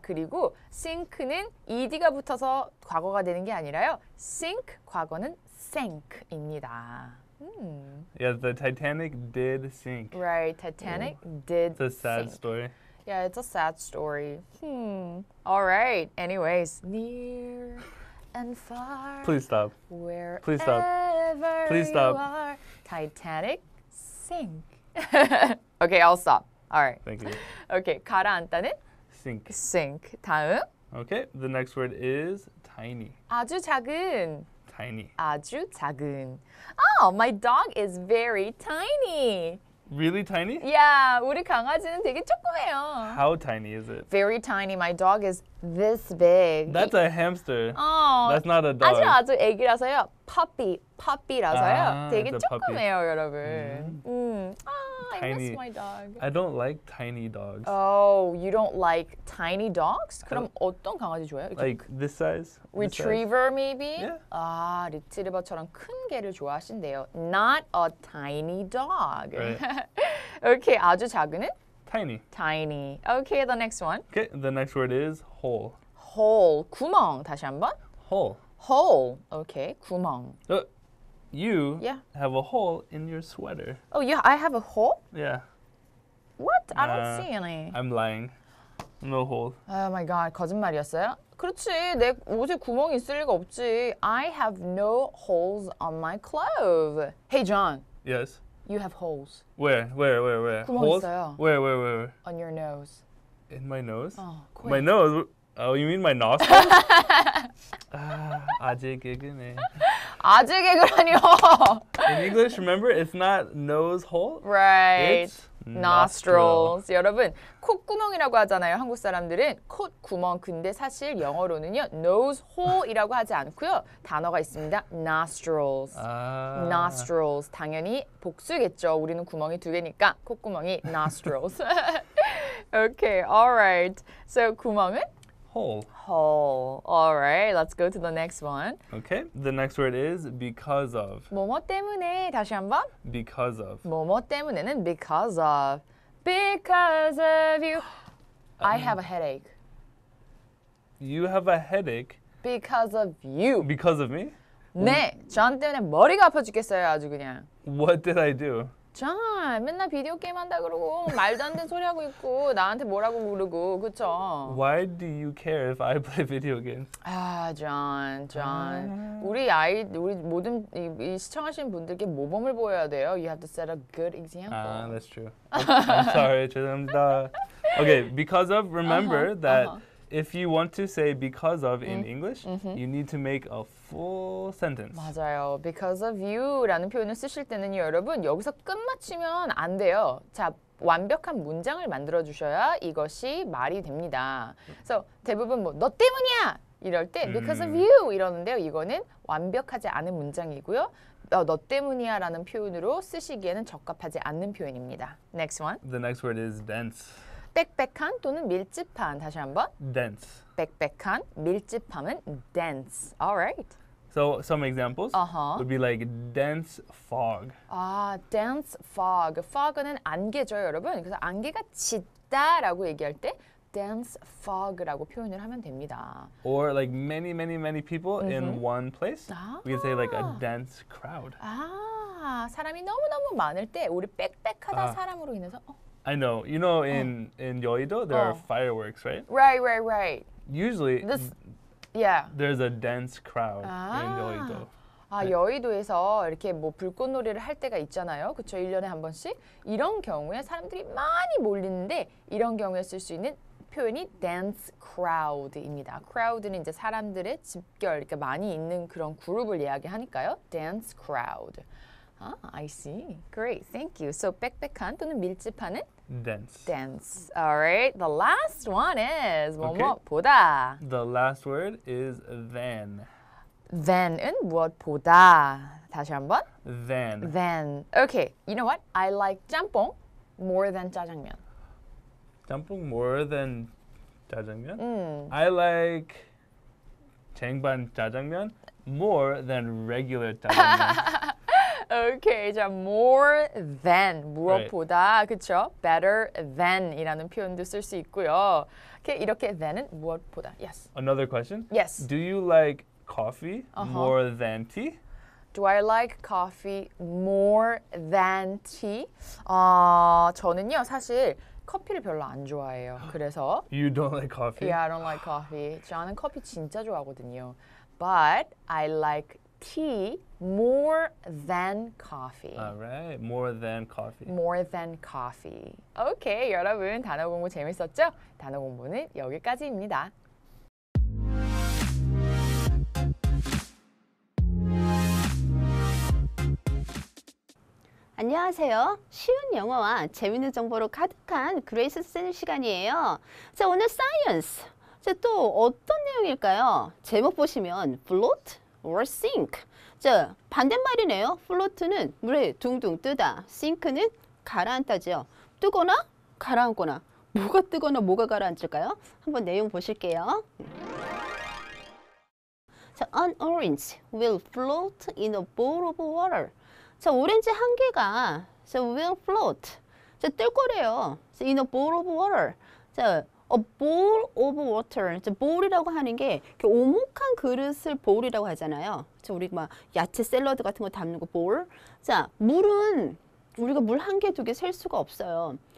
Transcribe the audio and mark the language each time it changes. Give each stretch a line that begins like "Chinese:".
Korean: 그리고 sink는 ed가 붙어서 과거가 되는 게 아니라요. Sink, 과거는 sink입니다.
English: Yeah, the Titanic did sink. Right, Titanic did sink. It's a sad story. Yeah, it's a sad story. All right, anyways. Near and far. Please stop. Wherever you are. Titanic sink. Okay, I'll stop. All right. Thank you.
Korean: Okay, 가라앉다는?
English: Sink.
Korean: Sink. 다음?
English: Okay, the next word is tiny.
Korean: 아주 작은.
English: Tiny.
Korean: 아주 작은.
English: Oh, my dog is very tiny. Really tiny?
Korean: Yeah, 우리 강아지는 되게 조그매요.
English: How tiny is it? Very tiny. My dog is this big. That's a hamster. Oh, that's not a dog.
Korean: 아주 아주 애기라서요. Puppy라서요. 되게 조그매요, 여러분. Tiny.
English: I miss my dog. I don't like tiny dogs. Oh, you don't like tiny dogs?
Korean: 그럼 어떤 강아지 좋아해요?
English: Like this size? Retriever, maybe? Yeah.
Korean: 아, 리트리버처럼 큰 개를 좋아하신대요.
English: Not a tiny dog. Right.
Korean: Okay, 아주 작은은?
English: Tiny. Tiny. Okay, the next one. Okay, the next word is hole.
Korean: Hole. 구멍, 다시 한번.
English: Hole. Hole. Okay, 구멍. You have a hole in your sweater. Oh, yeah, I have a hole? Yeah. What? I don't see any. I'm lying. No hole.
Korean: Oh my god, 거짓말이었어요? 그렇지, 내 옷에 구멍 있을 리가 없지.
English: I have no holes on my clothes. Hey, John. Yes? You have holes. Where?
Korean: 구멍
English: holes?
Korean: 있어요.
English: Where? On your nose. In my nose? Oh, quick. My nose? Oh, you mean my nostrils?
Korean: 아직 개그네. 아주 개그라니요.
English: In English, remember, it's not nose hole. Right. It's nostrils.
Korean: 여러분, 콧구멍이라고 하잖아요. 한국 사람들은 콧구멍. 근데 사실 영어로는요, nose hole이라고 하지 않고요. 단어가 있습니다. Nostrils. Nostrils. 당연히 복수겠죠. 우리는 구멍이 두 개니까 콧구멍이 nostrils.
English: Okay. All right. So 구멍은? Hole. All right, let's go to the next one. Okay, the next word is because of.
Korean: 뭐뭐 때문에, 다시 한번.
English: Because of.
Korean: 뭐뭐 때문에는 because of.
English: Because of you. I have a headache. You have a headache? Because of you. Because of me?
Korean: 네, John 때문에 머리가 아파 죽겠어요, 아주 그냥.
English: What did I do?
Korean: John, 맨날 비디오 게임 한다 그러고 말도 안 되는 소리 하고 있고 나한테 뭐라고 부르고 그쵸?
English: Why do you care if I play video games?
Korean: 아, John. 우리 모든 이 시청하시는 분들께 모범을 보여야 돼요.
English: You have to set a good example. Ah, that's true. I'm sorry.
Korean: 죄송합니다.
English: Okay, because of, remember that if you want to say because of in English, you need to make a full sentence.
Korean: 맞아요. Because of you라는 표현을 쓰실 때는요, 여러분, 여기서 끝마치면 안 돼요. 자, 완벽한 문장을 만들어주셔야 이것이 말이 됩니다. So, 대부분 뭐, 너 때문이야! 이럴 때
English: because of you!
Korean: 이러는데요, 이거는 완벽하지 않은 문장이고요. 너 때문이야 라는 표현으로 쓰시기에는 적합하지 않는 표현입니다.
English: Next one. The next word is dense.
Korean: 빽빽한 또는 밀집한. 다시 한번.
English: Dense.
Korean: 빽빽한, 밀집함은 dense.
English: Alright. So, some examples would be like dense fog.
Korean: 아, dense fog. Fog은 안개죠, 여러분. 그래서 안개가 짙다라고 얘기할 때 dense fog라고 표현을 하면 됩니다.
English: Or like many, many, many people mm-hmm. in one place. 아. We can say like a dense crowd.
Korean: 아, 사람이 너무너무 많을 때 우리 빽빽하다 아. 사람으로 인해서
English: I know. You know, in Yeouido, there are fireworks, right? Right, right, right. Usually, there's a dense crowd in Yeouido.
Korean: 아, 네. 여의도에서 이렇게 뭐 불꽃놀이를 할 때가 있잖아요. 그렇죠? 1년에 한 번씩. 이런 경우에 사람들이 많이 몰리는데 이런 경우에 쓸 수 있는 표현이 dense crowd입니다. crowd는 이제 사람들의 집결, 그러니까 많이 있는 그런 그룹을 이야기하니까요.
English: dense crowd. 아, I see. Great. Thank you.
Korean: So, 빽빽한 또는 밀집하는
English: dense. dense. All right.
Korean: The last one is 무엇보다.
English: Okay. The last word is than.
Korean: Than은 무엇보다 다시 한번
English: than than okay you know what I like 짬뽕 more than 짜장면 짬뽕 more than 짜장면 I like 쟁반 짜장면 more than regular 짜장면 okay 자 more than 무엇보다 right.
Korean: 그쵸 better than이라는 표현도 쓸 수 있고요 okay 이렇게 than은 무엇보다 yes
English: another question yes do you like coffee more than tea? Do I like coffee more than tea?
Korean: 아, 저는요 사실 커피를 별로 안 좋아해요. 그래서
English: You don't like coffee? Yeah, I don't like coffee.
Korean: 저는 커피 진짜 좋아하거든요.
English: But I like tea more than coffee. All right. More than coffee. More than coffee.
Korean: Okay, 여러분 단어 공부 재밌었죠? 단어 공부는 여기까지입니다. Hello, 쉬운 영어와 재미있는 정보로 가득한 그레이스 쌤 시간이에요. 자, 오늘 science. 자, 또 어떤 내용일까요? 제목 보시면 float or sink. 자, 반대말이네요. float는 물에 둥둥 뜨다. sink는 가라앉다죠. 뜨거나 가라앉거나. 뭐가 뜨거나 뭐가 가라앉을까요? 한번 내용 보실게요.
English: So, an orange will float in a bowl of water.
Korean: 자, 오렌지 한 개가
English: so will float.
Korean: 자, 뜰 거래요.
English: So in a bowl of water.
Korean: 자, a bowl of water. 자, bowl이라고 하는 게 오목한 그릇을 bowl이라고 하잖아요. 자, 우리 막 야채 샐러드 같은 거 담는 거 bowl. 자, 물은 우리가 물 한 개, 두 개 셀 수가 없어요.